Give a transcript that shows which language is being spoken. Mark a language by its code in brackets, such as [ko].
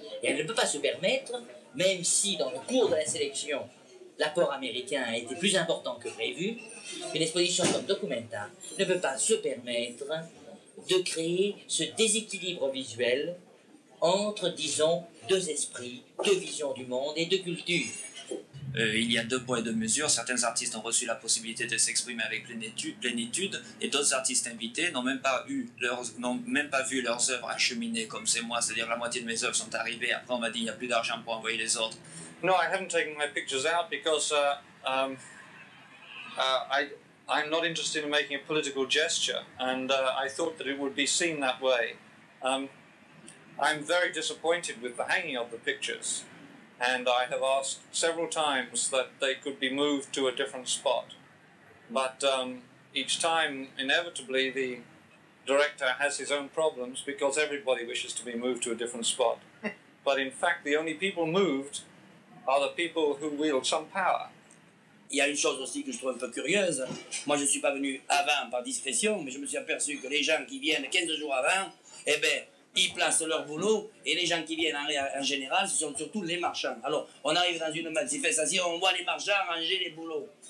[fr] Et elle ne peut pas se permettre, même si dans le cours de la sélection, l'apport américain a été plus important que prévu, une exposition comme documenta ne peut pas se permettre de créer ce déséquilibre visuel entre, disons, deux esprits, deux visions du monde et deux cultures. Il y a deux poids et deux mesures. Certains artistes ont reçu la possibilité de s'exprimer avec plénitude et d'autres artistes invités n'ont même pas vu leurs œuvres acheminées comme c'est moi, c'est-à-dire la moitié de mes œuvres sont arrivées. Après, on m'a dit qu'il n'y a plus d'argent pour envoyer les autres. [en] No, I haven't taken my pictures out because I'm not interested in making a political gesture, and I thought that it would be seen that way. I'm very disappointed with the hanging of the pictures, and I have asked several times that they could be moved to a different spot. But each time, inevitably, the director has his own problems because everybody wishes to be moved to a different spot. but in fact the only people moved are the people who wield some power. [fr] Il y a une chose aussi que je trouve un peu curieuse. Moi, je ne suis pas venu avant par discrétion, mais je me suis aperçu que les gens qui viennent 15 jours avant, eh bien, ils placent leur boulot, et les gens qui viennent en général, ce sont surtout les marchands. Alors, on arrive dans une manifestation, on voit les marchands ranger les boulots.